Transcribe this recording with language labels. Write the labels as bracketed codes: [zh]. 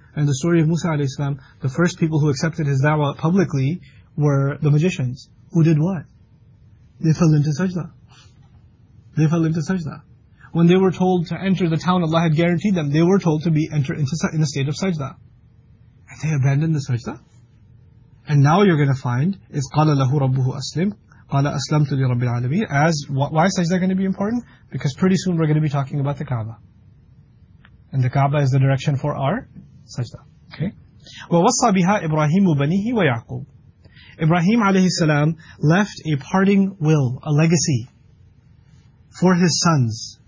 [en] And the story of Musa alayhi salam, the first people who accepted his da'wah publicly were the magicians. Who did what? They fell into sajda. They fell into sajda. When they were told to enter the town Allah had guaranteed them, they were told to enter into a state of sajda. And they abandoned the sajda. And now you're going to find, it's [ar] قَالَ لَهُ رَبُّهُ أَسْلِمْ قَالَ أَسْلَمْتُ لِرَبِّ الْعَالَمِينَ. [en] As, why is sajda going to be important? Because pretty soon we're going to be talking about the Kaaba. And the Kaaba is the direction for our sajda. Okay? [ar] وَوَصَّى بِهَا إِبْرَاهِيمُ بَنِيهِ وَيَعْقُوبُ. [en] Ibrahim alayhi salam left a parting will, a legacy, for his sons.